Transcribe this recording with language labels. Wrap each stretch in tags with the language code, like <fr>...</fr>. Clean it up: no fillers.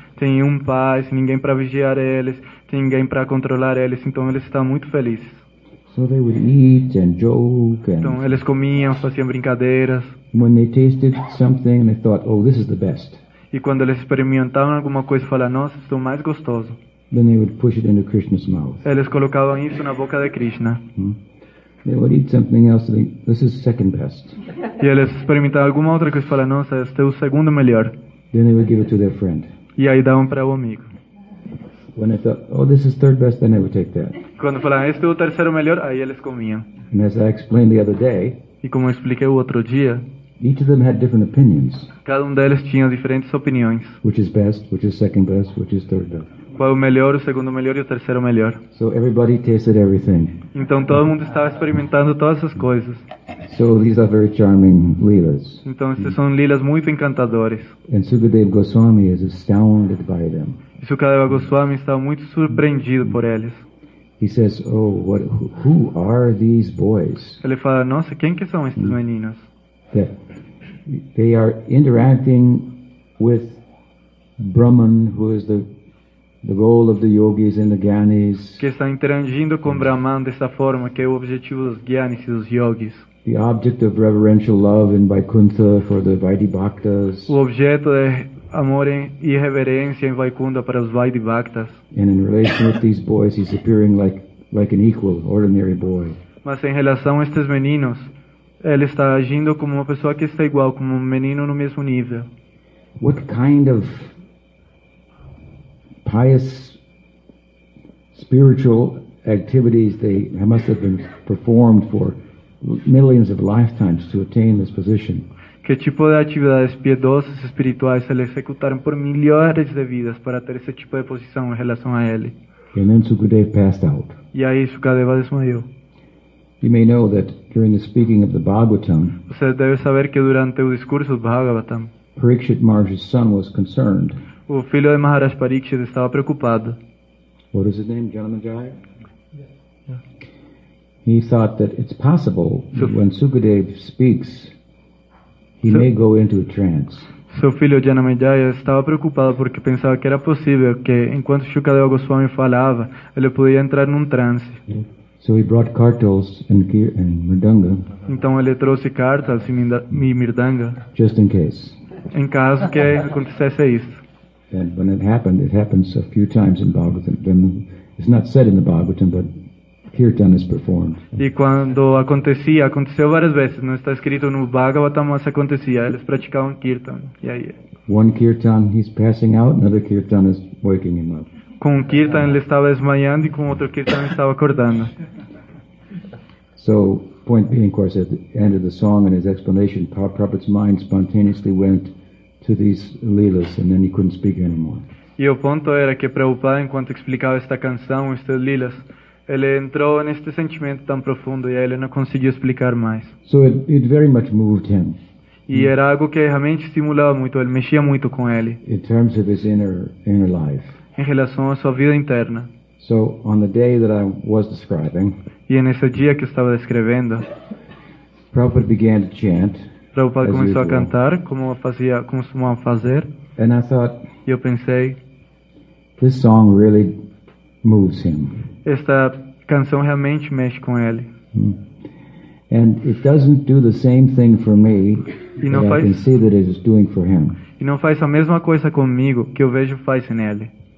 <pt>Tem um pai, sem ninguém para vigiar eles, tem ninguém para controlar eles, então eles estavam muito felizes.</pt> <en>So they would eat and joke and...</en> <pt>Então eles comiam, faziam brincadeiras.</pt> <en>When they tasted something, they thought, oh, this is the best.</en> <pt>E quando eles experimentavam alguma coisa, falavam, nossa, isso é o mais gostoso.</pt> <en>Then they would push it into Krishna's mouth.</en> <pt>Eles colocavam isso na boca de Krishna.</pt> <en>They would eat something else. Think, this is second best.</en> <pt>E eles experimentavam alguma outra coisa e falavam, nossa, este é o segundo melhor.</pt> <en>Then they would give it to their friend.</en> <pt>E aí davam para o amigo.</pt> <en>When they thought, oh, this is third best, then they would take that.</en> <pt>Quando falavam, este é o terceiro melhor, aí eles comiam.</pt> <en>And as I explained the other day,</en> <pt>e como eu expliquei o outro dia,</pt> <en>each of them had different opinions.</en> <pt>Cada deles tinha diferentes opiniões.</pt> <en>Which is best? Which is second best? Which is third best?</en> <pt>Qual o melhor, o segundo melhor e o terceiro melhor?</pt> <en>So everybody tasted everything.</en> <pt>Então todo mundo estava experimentando todas as coisas.</pt> <en>So these are very charming lilas.</en> <pt>Então esses são lilas muito encantadores.</pt> <en>And Sukadeva Goswami is astounded by them.</en> <pt>E Sukadeva Goswami estava muito surpreendido por eles.</pt> <en>He says, "Oh, what? Who are these boys?"</en> <pt>Ele fala, "Nossa, quem que são esses meninos?"</pt> <en>That they are interacting with Brahman, who is the goal of the yogis and the gyanis.</en> <pt>Que está interagindo com Brahman dessa forma, que é o objetivo dos gyanis e dos yogis.</pt> <en>The object of reverential love in Vaikuntha for the Vaidhi Bhaktas.</en> <pt>O objeto de amor e reverência em Vaikuntha para os Vaidhi Bhaktas.</pt> <en>And in relation with these boys, he's appearing like an equal, ordinary boy.</en> <pt>Mas em relação a estes meninos, ele está agindo como uma pessoa que está igual, como um menino no mesmo nível.</pt> <en>What kind of pious spiritual activities they must have been performed for millions of lifetimes to attain this position?</en> <pt>Que tipo de atividades piedosas espirituais eles executaram por milhares de vidas para ter esse tipo de posição em relação a ele?</pt> <en>And then Sukadeva passed out.</en> <pt>E aí Sukadeva desmaiou.</pt> <en>You may know that during the speaking of the Bhagavatam,</en> <pt>você deve saber que durante o discurso do Bhagavatam,</pt> <en>Parikshit Maharaj's son was concerned.</en> <pt>O filho de Maharaj Parikshit estava preocupado.</pt> <en>What is his name, Janamajaya? He thought that it's possible that when Sukadeva speaks, he may go into a trance.</en> <pt>Seu filho Janamejaya estava preocupado porque pensava que era possível que, enquanto Shukadeva Goswami falava, ele podia entrar num transe.</pt> <en>So he brought kartals and mridanga.</en> <pt>Então ele trouxe kartals e mridanga.</pt> <en>Just in case.</en> <pt>Em caso que acontecesse isso.</pt> <en>And when it happens a few times in Bhagavatam. Then it's not said in the Bhagavatam, but kirtan is performed.</en> <pt>E quando acontecia, aconteceu várias vezes. Não está escrito no Bhagavatam, mas acontecia. Eles praticavam kirtan. E aí.</pt> <en>One kirtan, he's passing out. Another kirtan is waking him up.</en> <pt>Com um kirtan ele estava desmaiando e com outro kirtan ele estava acordando.</pt> <en>So, point being, of course, at the end of the song and his explanation, Prabhupada's mind spontaneously went to these lilas, and then he couldn't speak anymore.</en> <pt>E o ponto era que Prabhupada, enquanto explicava esta canção, estas lilas, ele entrou neste sentimento tão profundo e aí ele não conseguiu explicar mais.</pt> <en>So it very much moved him.</en> <pt>E era algo que realmente estimulava muito. Ele mexia muito com ele.</pt> <en>In terms of his inner life.</en> <pt>Em relação à sua vida interna.</pt> <en>So on the day that I was describing.</en> <pt>E nesse dia que eu estava descrevendo.</pt> <en>Prabhupada began to chant.</en> <pt>Prabhupada começou a cantar como fazia, como costumava fazer.</pt> <en>And I thought.</en> <pt>E eu pensei.</pt> <en>This song really moves him.</en> <pt>Esta canção realmente mexe com ele.</pt> <en>And it doesn't do the same thing for me.</en> <pt>E não faz,</pt> <en>I can see that it is doing for him.</en> <pt>E não faz a mesma coisa comigo que eu vejo faz nele.</pt>